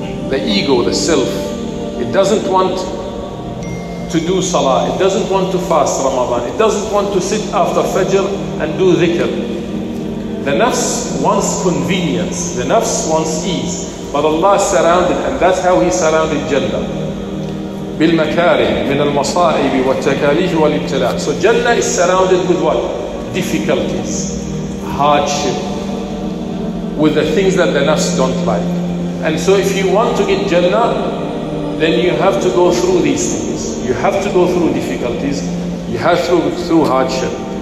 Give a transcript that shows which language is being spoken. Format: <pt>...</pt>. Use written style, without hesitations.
<en>The ego, the self, it doesn't want to do Salah, it doesn't want to fast Ramadan, it doesn't want to sit after Fajr and do Dhikr. The nafs wants convenience, the nafs wants ease, but Allah surrounded, and that's how He surrounded Jannah.</en> <ar>بالمكاره من المصائب والتكاليف والابتلاء.</ar> <en>So Jannah is surrounded with what? Difficulties, hardship, with the things that the nafs don't like. And so if you want to get Jannah, then you have to go through these things. You have to go through difficulties. You have to go through hardship.</en>